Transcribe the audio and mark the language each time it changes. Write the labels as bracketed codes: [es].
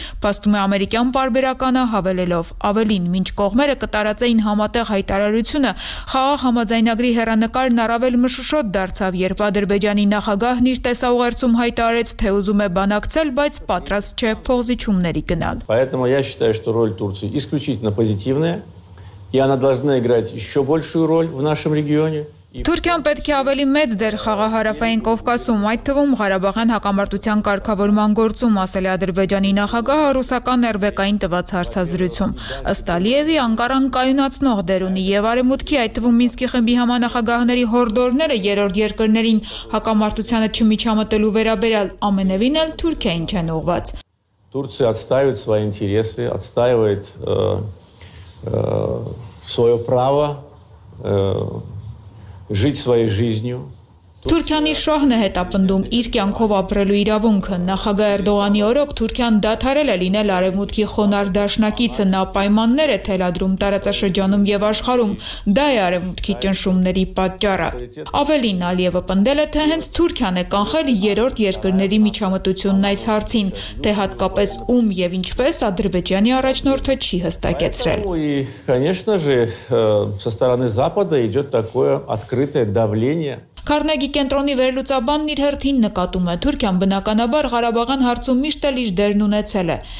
[hy] պաստում է ամերիկյան պարբերականը հավելելով։ Ավելին, մինչ կողմերը կտարածեին համատեղ հայտարարությունը, խաղաղ համաձայնագրի հեռանկարն առավել մշուշոտ դարձավ, երբ Ադրբեջանի նախագահն իր տեսաուղերձում հայտարարեց, թե ուզում է բանակցել, բայց պատրաստ չէ փողզիչումների գնալ։ [ru] И она должна играть еще большую роль в нашем регионе. [hy] Թուրքիան պետք է ավելի մեծ դեր խաղա Հարավային Կովկասում, այդ թվում Ղարաբաղյան հակամարտության կարգավորման գործում, ասել է Ադրբեջանի նախագահ ռուսական ներվեկային տված հարցազրույցում։ Ըստ Ալիևի, Անկարան կայունացնող դեր ունի եւ արեմուտքի, այդ թվում Մինսկի խմբի համանախագահների հորդորները երրորդ երկրներին հակամարտությանը չմիջամտելու վերաբերյալ ամենևին էլ Թուրքիան չեն ուղված։ [ru] Турция отстаивает свои интересы, отстаивает свое право жить своей жизнью. [hy] Թուրքիանի շահն է հետապնդում իր կյանքով ապրելու իրավունքը։ Նախագահ Էրդողանի օրոք Թուրքիան դադարել է լինել արևմուտքի խոնարհ դաշնակիցը, նա պայմաններ է թելադրում տարածաշրջանում եւ աշխարում, դա է արևմուտքի ճնշումների պատճառը։ Ավելին, Ալիևը պնդել է, թե հենց Թուրքիան է կանխել երրորդ երկրների միջամտությունն այս հարցին, թե հատկապես ում եւ ինչպես Ադրբեջանի առաջնորդը չի հստակեցրել։ Կարնեգի կենտրոնի վերլուծաբանն իր հերթին նկատում է, Թուրքիան բնականաբար Ղարաբաղյան հարցում միշտ էլ իր դերն ունեցել է։